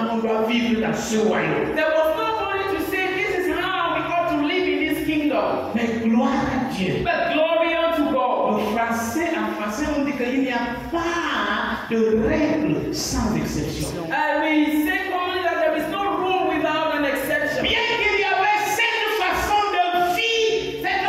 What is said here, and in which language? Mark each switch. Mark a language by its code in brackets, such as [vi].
[en] There was nobody to say this is how we ought to live in this kingdom. [fr] Mais gloire à Dieu. [en] But glory unto God. [fr] En français, on dit qu'il n'y a pas de règle sans exception. [en] We say commonly that there is no rule without an exception. [fr] Bien qu'il y avait cette façon de vivre